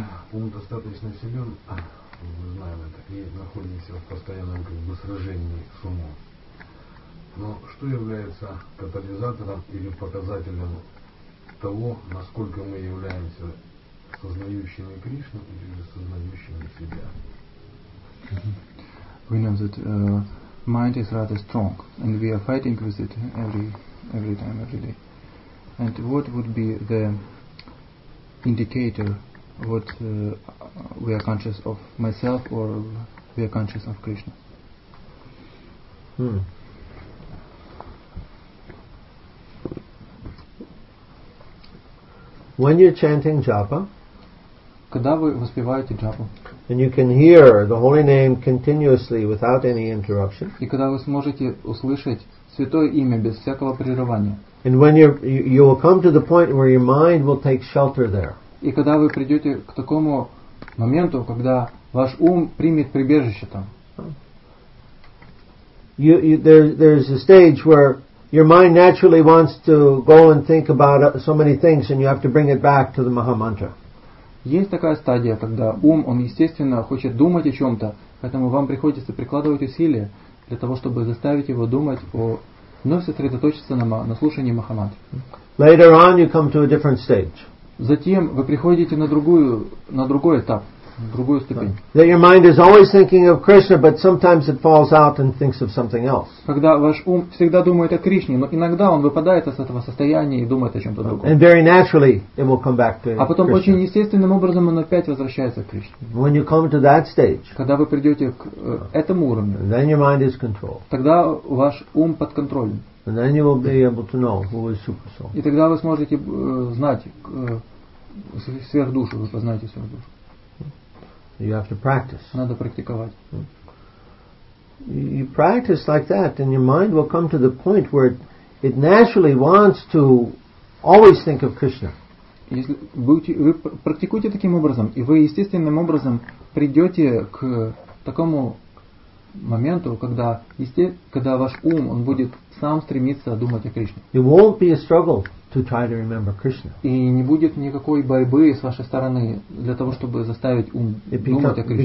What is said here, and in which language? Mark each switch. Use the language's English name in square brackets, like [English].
[Russian] Ум достаточно силен, мы знаем это, и находимся в постоянном сражении с умом. Но что является катализатором или показателем того, насколько мы являемся сознающими Кришну или же сознающими себя. [English] We know that mind is rather strong and we are fighting with it every time, every day. And what would be the indicator what we are conscious of myself or we are conscious of Krishna? When you're chanting japa, [Russian] когда вы воспеваете джапу, [English] and you can hear the holy name continuously without any interruption, [Russian] и когда вы сможете услышать святое имя без всякого прерывания, [English] and when you will come to the point where your mind will take shelter there, [Russian] и когда вы придете к такому моменту, когда ваш ум примет прибежище там, [English] there's a stage where your mind naturally wants to go and think about so many things, and you have to bring it back to the Maha Mantra. [Russian] Есть такая стадия, когда ум, он естественно хочет думать о чем-то, поэтому вам приходится прикладывать усилия для того, чтобы заставить его думать о, вновь сосредоточиться на слушании Маха Мантры. [English] Later on, you come to a different stage. [Russian] Затем вы приходите на другой этап. другую ступень. [English] That your mind is always thinking of Krishna, but sometimes it falls out and thinks of something else. [Russian] Когда ваш ум всегда думает о Кришне, но иногда он выпадает из этого состояния и думает о чем-то другом. [English] And very naturally, it will come back to. [Russian] А потом очень естественным образом он опять возвращается к Кришне. [English] When you come to that stage. [Russian] Когда вы придете к этому уровню. [English] Then your mind is controlled. [Russian] Тогда ваш ум под контролем. [English] And then you will be able to know who is Super Soul. [Russian] И тогда вы сможете знать. Сверхдушу, вы познаете сверхдушу. [English] You have to practice. [Russian] Надо практиковать. [English] You practice like that, and your mind will come to the point where it naturally wants to always think of Krishna. [Russian] Если будете, вы практикуете таким образом, и вы естественным образом придете к такому моменту, когда, когда ваш ум он будет сам стремиться думать о Кришне. [English] It won't be a struggle to try to remember Krishna. [Russian] И не будет никакой борьбы с вашей стороны для того, чтобы заставить ум думать о Кришне.